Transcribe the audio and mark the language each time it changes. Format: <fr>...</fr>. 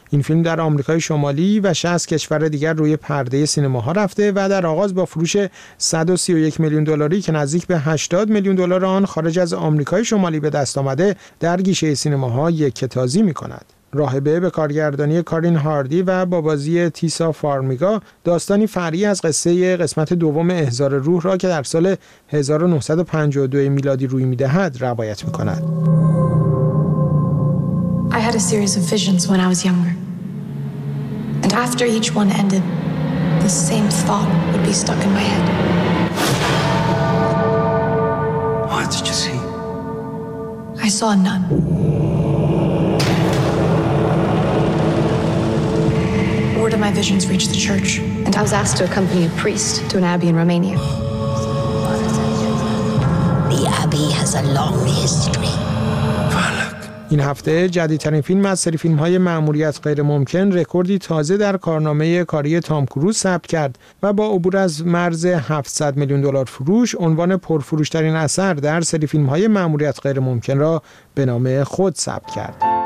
<fa>این فیلم در آمریکای شمالی و 60 کشور دیگر روی پرده سینماها رفته و در آغاز با فروش 131 میلیون دلاری که نزدیک به 80 میلیون دلار آن خارج از آمریکای شمالی به دست آمده، در گیشه سینماها یکه‌تازی می‌کند. راهبه به کارگردانی کارین هاردی و با بازی تیسا فارمیگا داستانی فرعی از قصه قسمت دوم احضار روح را که در سال 1952 میلادی روی می‌دهد روایت می‌کند.</fa> <en>I had a series of visions when I was younger. And after each one ended, the same thought would be stuck in my head. What did you see? I saw a nun. Word of my visions reached the church, and I was asked to accompany a priest to an abbey in Romania. The abbey has a long history.</en> <fa>این هفته جدیدترین فیلم از سری فیلم‌های مأموریت غیرممکن رکوردی تازه در کارنامه کاری تام کروز ثبت کرد و با عبور از مرز 700 میلیون دلار فروش عنوان پرفروش‌ترین اثر در سری فیلم‌های مأموریت غیرممکن را به نام خود ثبت کرد.</fa>